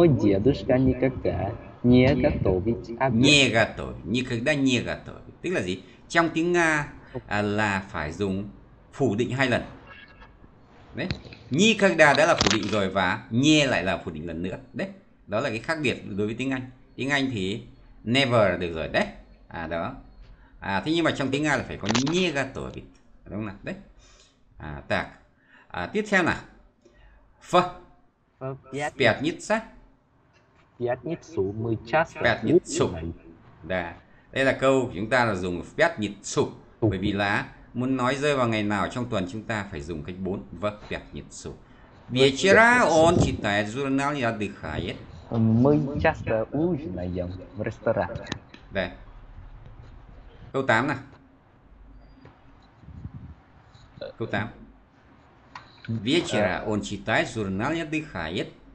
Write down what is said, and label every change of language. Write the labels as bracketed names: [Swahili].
[Russian] Мой дедушка никогда не готовит обед. Не готовит. Никогда не готовит. [Vietnamese] Tức là gì? Trong tiếng Nga là phải dùng phủ định hai lần. Đấy. Никогда đã là phủ định rồi và не lại là phủ định lần nữa. Đấy. Đó là cái khác biệt đối với tiếng Anh. Tiếng Anh thì never được rồi đấy. À đó. À thế nhưng mà trong tiếng Nga là phải có [Russian] не готовит. [Vietnamese] Đúng không nào? Đấy. À так. À tiếp theo nào. [Russian] В пятницу. Пятницу мы часто. Пятницу. Да. [Vietnamese] Đây là câu chúng ta là dùng [Russian] в пятницу. [Vietnamese] Bởi vì là muốn nói rơi vào ngày nào trong tuần chúng ta phải dùng cách 4. [Russian] В пятницу. Вечера он читает журнал и отдыхает. Мы часто ужинаем в ресторане. [Vietnamese] Да. Câu 8 nè. Câu 8. [Russian] Вечера он читает журнал и отдыхает.